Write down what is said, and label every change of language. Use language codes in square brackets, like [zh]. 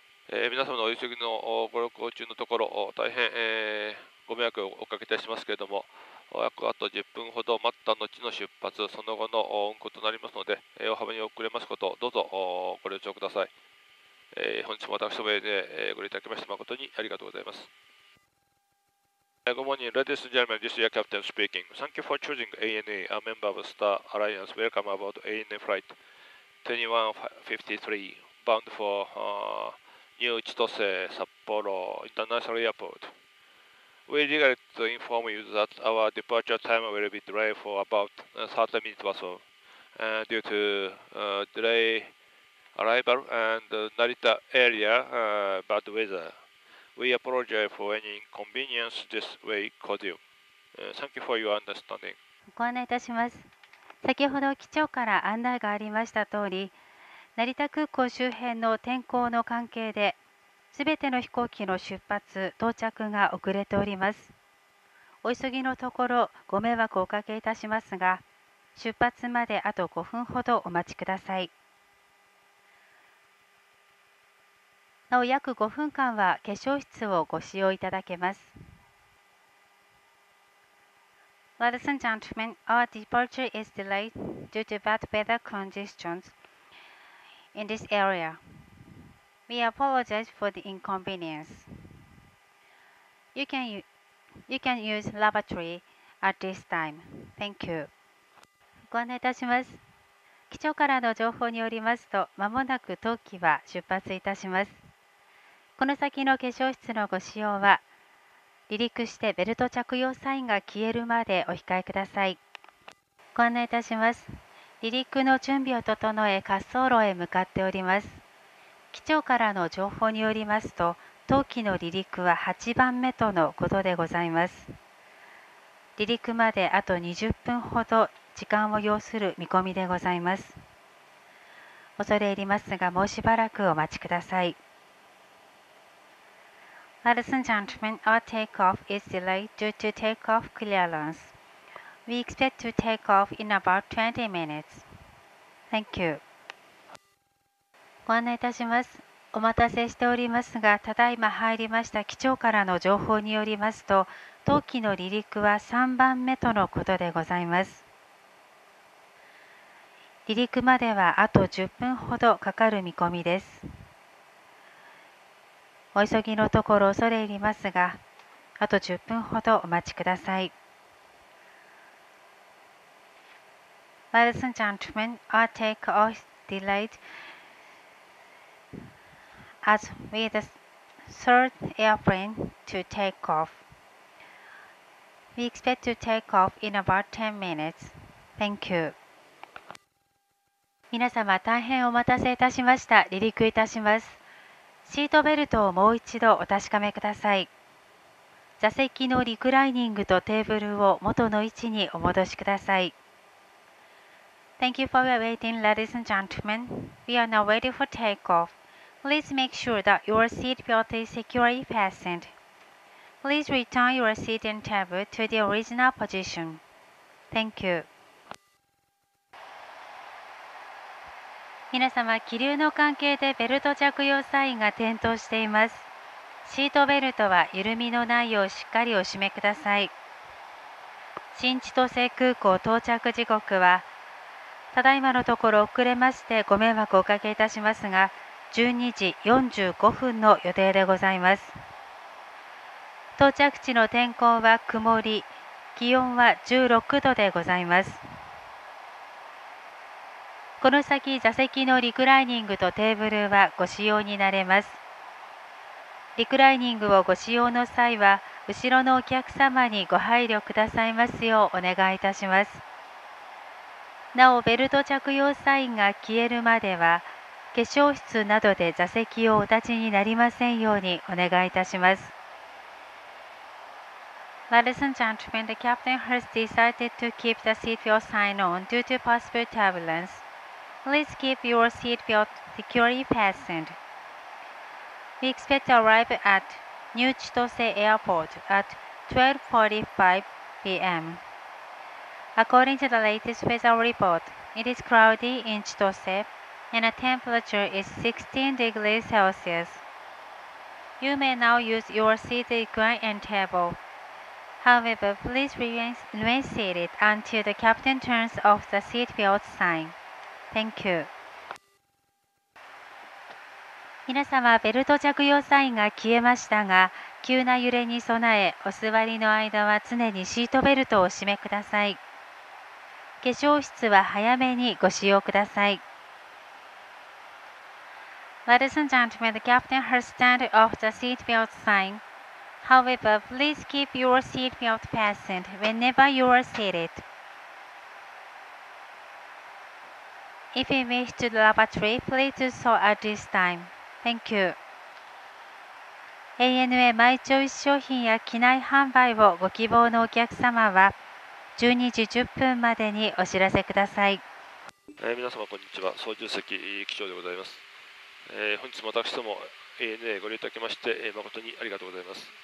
[ja] 皆様のお急ぎのご旅行中のところ大変ご迷惑をおかけいたしますけれども約あと10分ほど待った後の出発その後の運行となりますので大幅に遅れますことどうぞご了承ください。本日も私どもでご利用いただきまして誠にありがとうございます。 [en] Good morning, ladies and gentlemen, this is your captain speaking. Thank you for choosing ANA, a member of Star Alliance. Welcome aboard ANA flight 2153 bound for New Chitose Sapporo International Airport. We regret to inform you that our departure time will be delayed for about 30 minutes or so due to delay arrival and Narita area bad weather. We apologize for any inconvenience this way caused you. Thank you for your understanding. [ja] ご案内いたします。先ほど機長から案内がありました通り、成田空港周辺の天候の関係で、すべての飛行機の出発、到着が遅れております。お急ぎのところ、ご迷惑をおかけいたしますが、出発まであと5分ほどお待ちください。なお、約5分間は化粧室をご使用いただけます。 [en] Ladies and gentlemen, our departure is delayed due to bad weather conditions in this area. We apologize for the inconvenience. You can use lavatory at this time. Thank you. [ja] ご案内いたします。機長からの情報によりますと、まもなく当機は出発いたします。この先の化粧室のご使用は、離陸してベルト着用サインが消えるまでお控えください。ご案内いたします。離陸の準備を整え、滑走路へ向かっております。機長からの情報によりますと、当機の離陸は8番目とのことでございます。離陸まであと20分ほど時間を要する見込みでございます。恐れ入りますが、もうしばらくお待ちください。 [en] Ladies and gentlemen, our takeoff is delayed due to takeoff clearance. We expect to take off in about 20 minutes. Thank you. [ja] ご案内いたします。お待たせしておりますが、ただいま入りました機長からの情報によりますと、当機の離陸は3番目とのことでございます。離陸まではあと10分ほどかかる見込みです。お急ぎのところ恐れ入りますが、あと10分ほどお待ちください。 [en] Ladies and gentlemen, our takeoff is delayed. As we the third airplane to take off, we expect to take off in about 10 minutes. Thank you. [ja] 皆様大変お待たせいたしました。離陸いたします。シートベルトをもう一度お確かめください。座席のリクライニングとテーブルを元の位置にお戻しください。 Thank you for waiting, ladies and gentlemen. We are now ready for takeoff. Please make sure that your seat belt is securely fastened. Please return your seat and table to the original position. Thank you. 皆様、気流の関係でベルト着用サインが点灯しています。シートベルトは緩みのないようしっかりお締めください。新千歳空港到着時刻は、ただいまのところ遅れましてご迷惑をおかけいたしますが、12時45分の予定でございます。到着地の天候は曇り、気温は16度でございます。この先、座席のリクライニングとテーブルはご使用になれます。リクライニングをご使用の際は、後ろのお客様にご配慮くださいますようお願いいたします。なお、ベルト着用サインが消えるまでは、化粧室などで座席をお立ちになりませんようにお願いいたします。 [en] Ladies and gentlemen, the captain has decided to keep the seat belt sign on due to possible turbulence. Please keep your seat belt securely fastened. We expect to arrive at New Chitose Airport at 12:45 p.m. According to the latest weather report, it is cloudy in Chitose and the temperature is 16 degrees Celsius. You may now use your seat equine and table. However, please remain seated until the captain turns off the seat belt sign. Thank you. [ja] 皆様、ベルト着用サインが消えましたが、急な揺れに備え、お座りの間は常にシートベルトをお締めください。化粧室は早めにご使用ください。 [en] Ladies and gentlemen, the captain has turned off the seat belt sign. However, please keep your seat belt fastened whenever you are seated. If you wish to the lavatory, please do so at this time. Thank you. [ja] ANA マイチョイス商品や機内販売をご希望のお客様は12時10分までにお知らせください。皆様こんにちは。操縦席機長でございます。本日も私ども ANA ご利用いただきまして誠にありがとうございます。